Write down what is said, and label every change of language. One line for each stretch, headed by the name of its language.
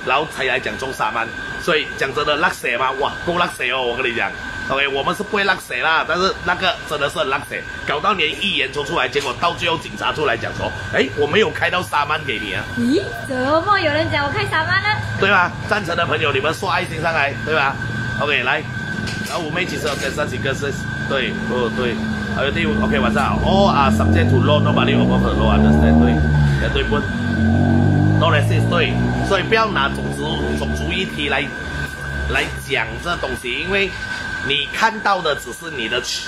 Chinese: 然后才来讲中沙曼，所以讲真的落水吗？哇，够落水哦，我跟你讲 ，OK， 我们是不会落水啦，但是那个真的是很落水，搞到连议员都出来，结果到最后警察出来讲说，哎，我没有开到沙曼给你啊，咦，怎么有人讲我开沙曼呢？对吧？赞成的朋友你们刷爱心上来，对吧 ？OK， 来，然后我们一起说跟上几个是，对，哦对。好，第五 ，OK， 晚上好。
English: All are subject to law, nobody above the law. Understand?
Chinese: 对，也对不 ？
English: No racist.
Chinese: 对，所以不要拿种族议题来讲这东西，因为你看到的只是你的